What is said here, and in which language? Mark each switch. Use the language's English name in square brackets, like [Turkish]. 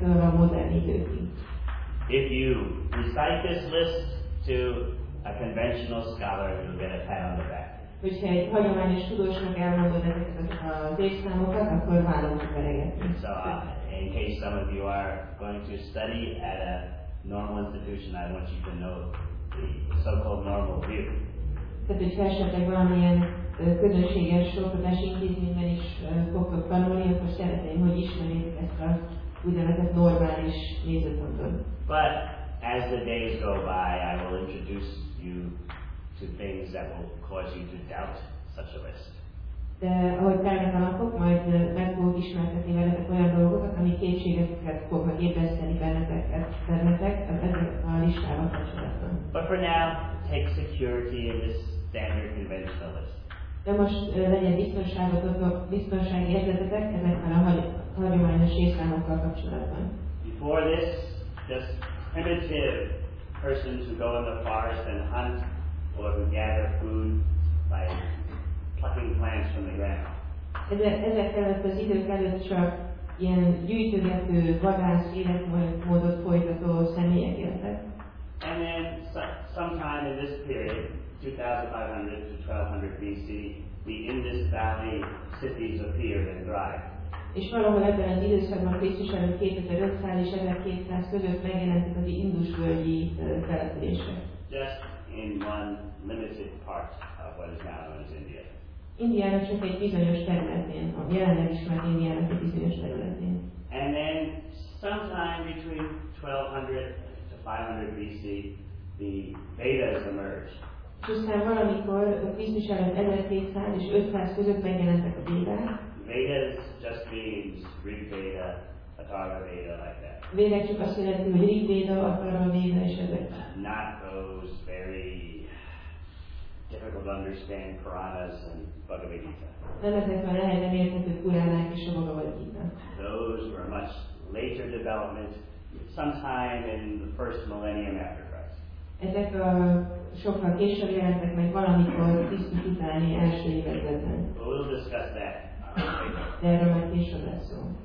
[English] If you recite this list to a conventional scholar, you'll get a pat on the back. So, in case some of you are going to study at a normal institution, I want you to know the so-called normal view. [Hungarian] Tehát, hogyha esetleg valamilyen közönséges oktatási intézményben is fogok tanulni, akkor szeretném, hogy ismerjék ezt a úgynevezett normális nézőpontot. [English] But as the days go by, I will introduce you to things that will cause you to doubt such a list. [Hungarian] De ahogy telnek a napok, majd meg fogok ismertetni veletek olyan dolgokat, ami kétségeket fognak ébreszteni bennetek a listával kapcsolatban. [English] But for now, take security in this standard conventional list. [Hungarian] De most legyen biztonsági érzetetek ezekben a hagyományos részszámokkal kapcsolatban. [English] Before this, just primitive persons who go in the forest and hunt or who gather food by plucking plants from the ground. [Hungarian] Ezek előtt az idők előtt csak ilyen gyűjtögető, vadász életmódot folytató személyek éltek. [English] And then sometime in this period, 2500 to 1200 BC, the Indus Valley cities appeared and thrived. [Hungarian] És valahol ebben az időszakban, Krisztus előtt 2500 és 1200 között megjelentek az Indus-völgyi települések. [English] Just in one limited part of what is now known as India. [Hungarian] Indiának csak egy bizonyos területén, a jelenleg ismert Indiának egy bizonyos területén. [English] And then sometime between 1200 500 BC, the Vedas emerged. [Hungarian] Csusztán valamikor a Krisztus előtt 1200 és 500 között megjelentek a Védák. [English] Vedas just means Rig Veda, Atharva Veda, like that. [Hungarian] Védák csak azt jelenti, hogy Rig Veda, Atharva Veda és ezek. [English] Not those very difficult to understand Puranas and Bhagavad Gita. [Hungarian] Nem ezek a nehezen érthető Puranák és a Bhagavad Gita. [English] Those were much later development, sometime in the first millennium after Christ. [Hungarian] Ezek a sokkal később jelentek meg valamikor Krisztus utáni első években. [English] We'll discuss that. [Hungarian] De erről majd később lesz szó.